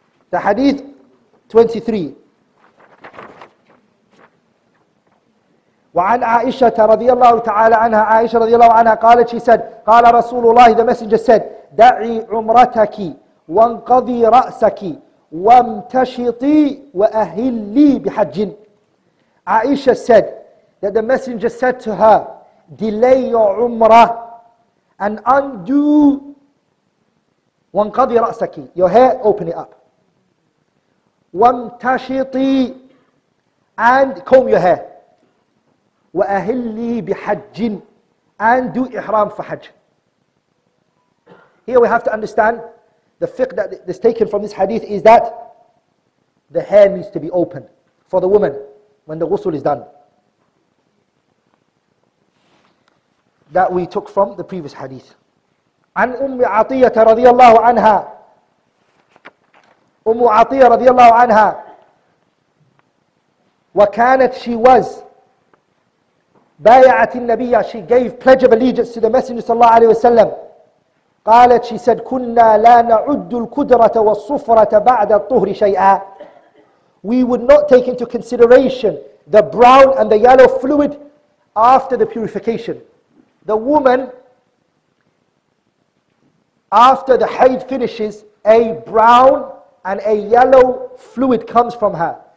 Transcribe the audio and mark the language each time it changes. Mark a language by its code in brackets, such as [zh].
[ar] The hadith 23. وعن عائشة رضي الله تعالى عنها عائشة رضي الله عنها قالت, [en] she said, [ar] قال رسول الله, [en] the messenger said, [ar] دعي عمرتك وانقضي رأسك وامتشطي وأهلي بحج. [en] عائشة said that the messenger said to her, delay your umrah and undo [ar] وانقضي رأسك, [en] your hair, open it up. [ar] وَمْتَشِطِي, [en] and comb your hair. [ar] وَأَهِلِّي بِحَجٍ, [en] and do ihram for hajj. Here we have to understand the fiqh that is taken from this hadith is that the hair needs to be open for the woman when the ghusl is done. That we took from the previous hadith. [ar] عن أم عطية رضي الله عنها. أم عطية رضي الله عنها وكانت, [en] she was [ar] بايعت النبي, [en] she gave pledge of allegiance to the messenger [ar] صلى الله عليه وسلم. قالت, [en] she said, [ar] كنا لا نعد الكدرة والصفرة بعد الطهر شيئا. [en] We would not take into consideration the brown and the yellow fluid after the purification. The woman, after the hayd finishes, a brown and a yellow fluid comes from her.